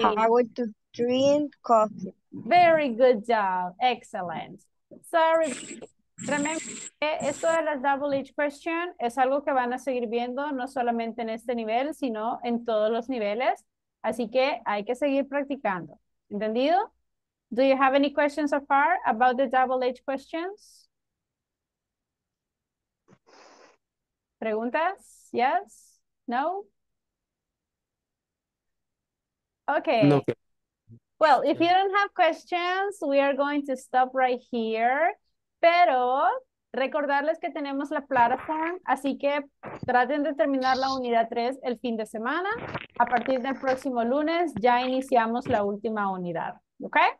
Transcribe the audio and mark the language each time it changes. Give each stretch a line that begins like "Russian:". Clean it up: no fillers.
English: How to drink coffee. Very good job. Excellent. Sorry.
Spanish: Remember que esto de las WH question es algo que van a seguir viendo no solamente en este nivel, sino en todos los niveles. Así que hay que seguir practicando. ¿Entendido?
English: Do you have any questions so far about the WH questions? ¿Preguntas? Yes? No? Okay. No. Well, if you don't have questions, we are going to stop right here.
Spanish: Pero recordarles que tenemos la plataforma, así que traten de terminar la unidad 3 el fin de semana. A partir del próximo lunes ya iniciamos la última unidad, ¿ok?